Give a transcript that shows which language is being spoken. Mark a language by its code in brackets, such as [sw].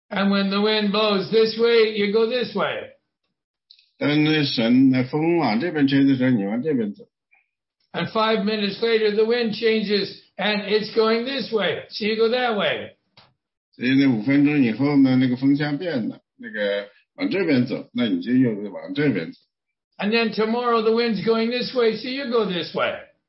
[en] when the wind blows this way, you go this way. [zh] 当那风往这边吹的时候，你往这边走。 [en] And 5 minutes later, the wind changes, and it's going this way, so you go that way. [zh] 所以那五分钟以后呢，那个风向变了，那个往这边走，那你就又往这边走。 [en] And then tomorrow, the wind's going this way, so you go this way.